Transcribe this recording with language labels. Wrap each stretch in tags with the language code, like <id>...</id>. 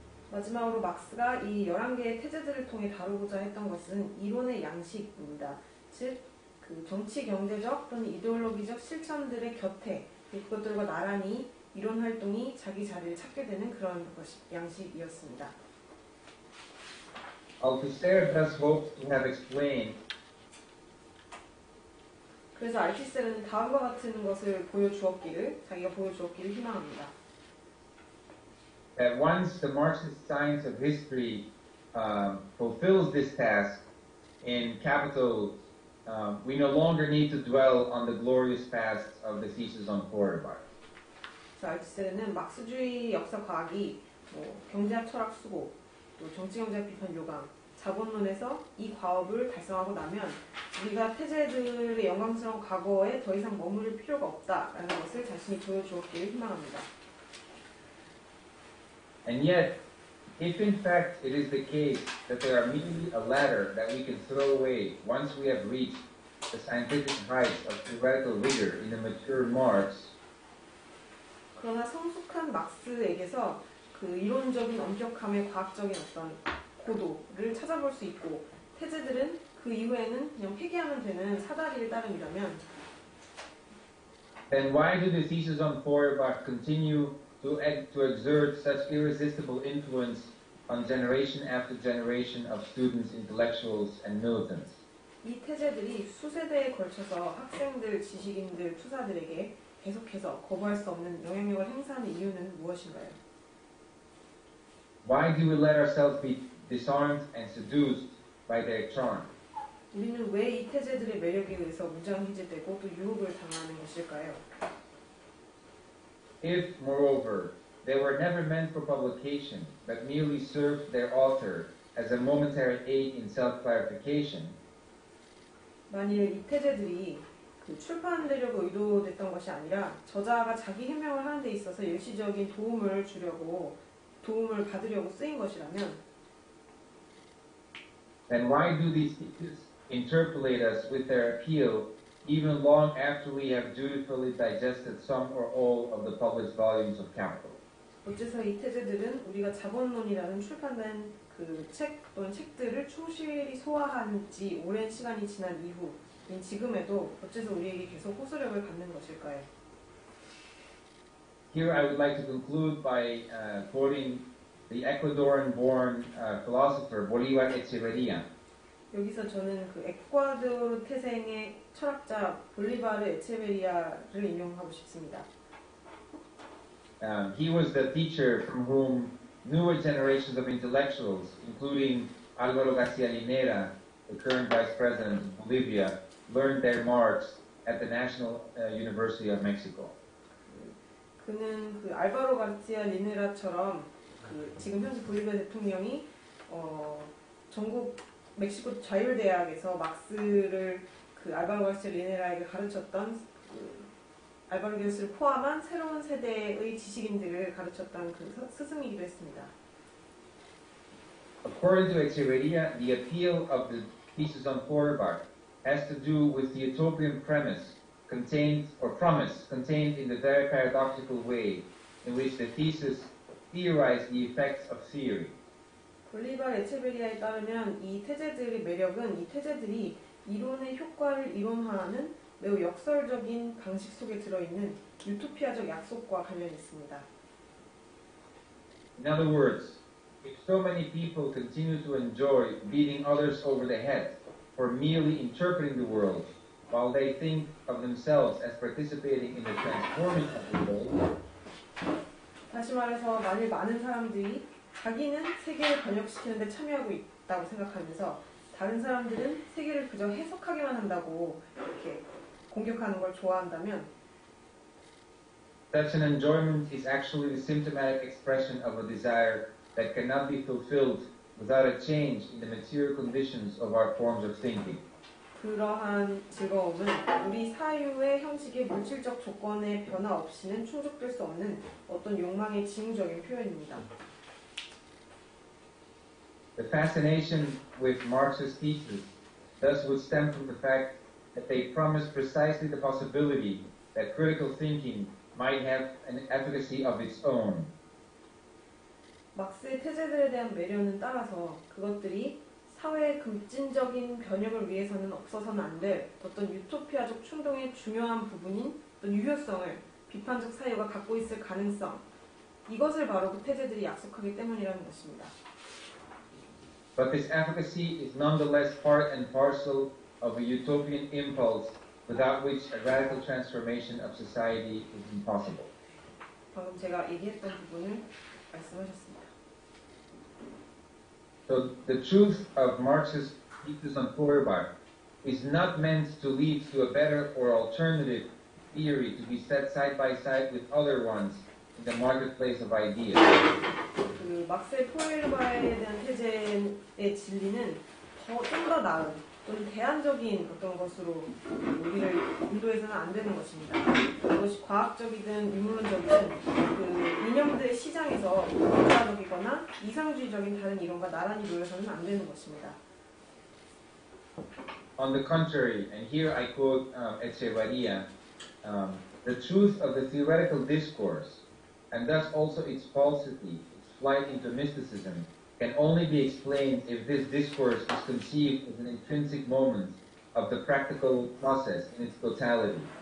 <ko>마지막으로 막스가 이 11개의 태제들을 통해 다루고자 했던 것은 이론의 양식입니다. 즉, 그 정치, 경제적 또는 이데올로기적 실천들의 곁에 그것들과 나란히 이론 활동이 자기 자리를 찾게 되는 그런 양식이었습니다.</ko> <en>Althusser thus hoped to have explained.</en> <ko>그래서 알키세르는 다음과 같은 것을 보여주었기를 자기가 보여주었기를 희망합니다.</ko> <en>That once the Marxist science of history fulfills this task in Capital, we no longer need to dwell on the glorious past of the thesis on Feuerbach.</en> <ko>알키세르는 막스주의 역사 과학이 뭐 경제학 철학 수고 또 정치 경제학 비판 요강 자본론에서 이 과업을 달성하고 나면 우리가 태제들의 영광스러운 과거에 더 이상 머무를 필요가 없다라는 것을 자신이 보여주었기를 희망합니다.</ko> <en>And yet, if in fact it is the case that there are merely a ladder that we can throw away once we have reached the scientific heights of theoretical rigor in a mature Marx.</en> <ko>그러나 성숙한 막스에게서 그 이론적인 엄격함의 과학적인 어떤 고도를 찾아볼 수 있고 태제들은 그 이후에는 그냥 폐기하면 되는 사다리를 따른다면</ko> <en>Then why do the thesis on Feuerbach continue to exert such irresistible influence on generation after generation of students, intellectuals, and militants?</en> <ko>이 태제들이 수세대에 걸쳐서 학생들, 지식인들, 투사들에게 계속해서 거부할 수 없는 영향력을 행사하는 이유는 무엇인가요?</ko> <en>Why do we let ourselves be disarmed and seduced by their charm?</en> <ko>우리는 왜 이 태제들의 매력에 의해서 무장해제되고 또 유혹을 당하는 것일까요?</ko> <en>If, moreover, they were never meant for publication, but merely served their author as a momentary aid in self-clarification.</en> <ko>만일 이 태제들이 출판되려고 의도됐던 것이 아니라 저자가 자기 해명을 하는 데 있어서 일시적인 도움을 주려고 도움을 받으려고 쓰인 것이라면</ko> <en>Then why do these teachers interpolate us with their appeal even long after we have dutifully digested some or all of the published volumes of Capital?</en> <ko>어째서 이 태제들은 우리가 자본론이라는 출판된 그 책 또는 책들을 충실히 소화한 지 오랜 시간이 지난 이후 지금에도 어째서 우리에게 계속 호소력을 갖는 것일까요?</ko> <en>Here I would like to conclude by quoting the Ecuadorian-born philosopher Bolívar Echeverría.</en> <ko>여기서 저는 그 에콰도르 태생의 철학자 볼리바르 에체베리아를 인용하고 싶습니다.</ko> <en>He was the teacher from whom newer generations of intellectuals, including Álvaro García Linera, the current vice president of Bolivia, learned their marks at the National University of Mexico.</en> <ko>그는 그 알바로 가르시아 리네라처럼 그 지금 현재 볼리비아 대통령이 전국 멕시코 자율대학에서 막스를 그 알바로 가르시아 리네라에게 가르쳤던 그 알바로 교수를 포함한 새로운 세대의 지식인들을 가르쳤던 그 스승이기도 했습니다.</ko> <en>According to Echeverría, the appeal of the pieces on Feuerbach has to do with the utopian premise contained in the very paradoxical way in which the thesis theorized the effects of theory.</en> <ko>볼리바르 에체베리아에 따르면 이 태제들의 매력은 이 태제들이 이론의 효과를 이론화하는 매우 역설적인 방식 속에 들어있는 유토피아적 약속과 관련이 있습니다.</ko> <en>In other words, if so many people continue to enjoy beating others over the head for merely interpreting the world, while they think of themselves as participating in the transforming of the world.</en> <ko>다시 말해서, 만일 많은 사람들이 자기는 세계를 번역시키는 데 참여하고 있다고 생각하면서 다른 사람들은 세계를 그저 해석하기만 한다고 이렇게 공격하는 걸 좋아한다면</ko> <en>Such an enjoyment is actually the symptomatic expression of a desire that cannot be fulfilled without a change in the material conditions of our forms of thinking.</en> <ko>그러한 즐거움은 우리 사유의 형식의 물질적 조건의 변화 없이는 충족될 수 없는 어떤 욕망의 징후적인 표현입니다.</ko> <en>The fascination with Marx's thesis thus would stem from the fact that they promised precisely the possibility that critical thinking might have an efficacy of its own.</en> <ko>막스의 태제들에 대한 매료는 따라서 그것들이 사회의 급진적인 변형을 위해서는 없어서는 안 될 어떤 유토피아적 충동의 중요한 부분인 어떤 유효성을 비판적 사유가 갖고 있을 가능성 이것을 바로 그 태제들이 약속하기 때문이라는 것입니다.</ko> <en>But this efficacy is nonetheless part and parcel of a utopian impulse without which a radical transformation of society is impossible.</en> <ko>방금 제가 얘기했던 부분을 말씀하셨습니다.</ko> <en>So the truth of Marx's thesis on Feuerbach is not meant to lead to a better or alternative theory to be set side by side with other ones in the marketplace of ideas.</en> <ko>그 막스의 포에르바에 대한 태제의 진리는 좀 더 나은 또는 대안적인 어떤 것으로 우리를 인도해서는 안 되는 것입니다. 그것이 과학적이든 유물론적이든 그 이념들의 시장에서 독자적이거나 이상주의적인 다른 이론과 나란히 놓여서는 안 되는 것입니다.</ko> <en>On the contrary, and here I quote Echeverría, the truth of the theoretical discourse, and thus also its falsity, its flight into mysticism, can only be explained if this discourse is conceived as an intrinsic moment of the practical process in its totality.</en>